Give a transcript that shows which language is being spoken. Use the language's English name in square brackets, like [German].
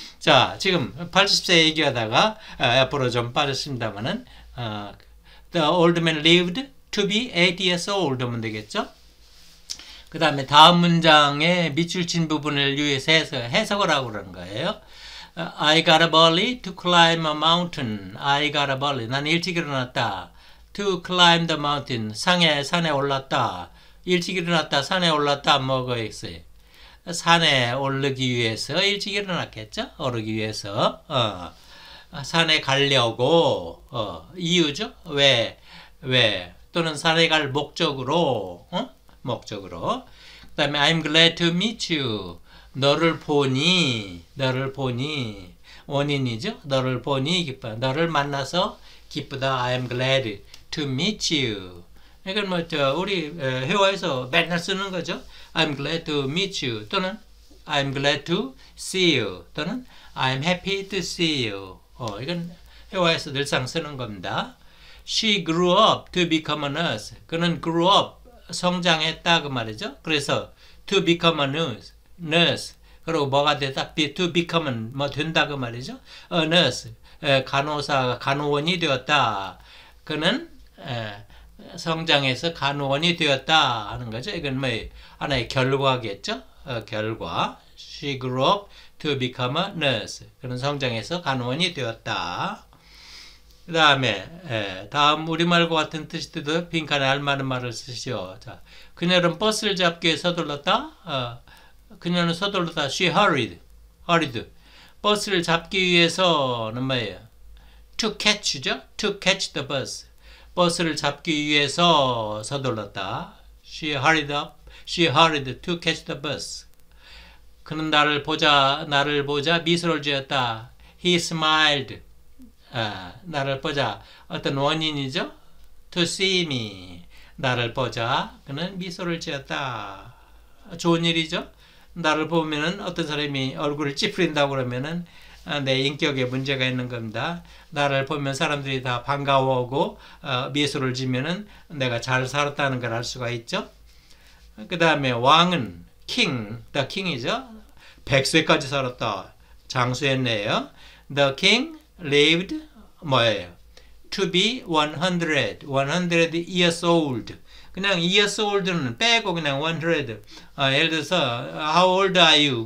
[Korean] 자, 지금 80세 얘기하다가 앞으로 좀 빠졌습니다만은 [English] The old man lived to be 80 years old [Korean] 하면 되겠죠. 그 다음에 다음 문장에 밑줄 친 부분을 유의해서 해석을 하고 그러는 거예요. [English] I got a bully to climb a mountain. I got a bully. [Korean] 난 일찍 일어났다. [English] To climb the mountain. [Korean] 상해, 산에 올랐다. 일찍 일어났다. 산에 올랐다. 뭐가 있어요? 산에 오르기 위해서 일찍 일어났겠죠? 오르기 위해서. 산에 가려고. 이유죠? 왜? 왜? 또는 산에 갈 목적으로. 목적으로. [English] 그 다음에 I'm glad to meet you. [Korean] 너를 보니. 너를 보니. 원인이죠? 너를 보니 기뻐. 너를 만나서 기쁘다. [English] I am glad to meet you. [Korean] 이건 뭐, 우리 회화에서 맨날 쓰는 거죠. [English] I'm glad to meet you. 또는 I'm glad to see you. 또는 I'm happy to see you. [Korean] 이건 회화에서 늘상 쓰는 겁니다. [English] She grew up to become a nurse. [Korean] 그는 [English] grew up, [Korean] 성장했다. 그 말이죠. [English] 그래서 to become a nurse. [Korean] Nurse. 그리고 뭐가 되다? To become은 뭐 된다 그 말이죠. A nurse, 간호사, 간호원이 되었다. 그는 성장해서 간호원이 되었다 하는 거죠. 이건 뭐 하나의 결과겠죠. 결과. [English] She grew up to become a nurse. [Korean] 그는 성장해서 간호원이 되었다. 그 다음에 다음 우리말과 같은 뜻이도 빈칸에 알맞은 말을 쓰시오. 자, 그녀는 버스를 잡기 위해 서둘렀다. [English] 그녀는 서둘렀다. She hurried. Hurried. [Korean] 버스를 잡기 위해서는 뭐예요? [English] To catch죠? To catch the bus. [Korean] 버스를 잡기 위해서 서둘렀다. [English] She hurried up. She hurried to catch the bus. [Korean] 그는 나를 보자 미소를 지었다. [English] He smiled. [Korean] 나를 보자. 어떤 원인이죠? [English] To see me. [Korean] 나를 보자. 그는 미소를 지었다. 좋은 일이죠? 나를 보면은 어떤 사람이 얼굴을 찌푸린다고 그러면은 내 인격에 문제가 있는 겁니다. 나를 보면 사람들이 다 반가워하고 미소를 지면은 내가 잘 살았다는 걸알 수가 있죠. 그 다음에 왕은 king, the king이죠. 100세까지 살았다. 장수했네요. [English] The king lived 뭐예요? To be 100 years old. [Korean] 그냥 years old는 빼고 그냥 100. 예를 들어서 [English] How old are you?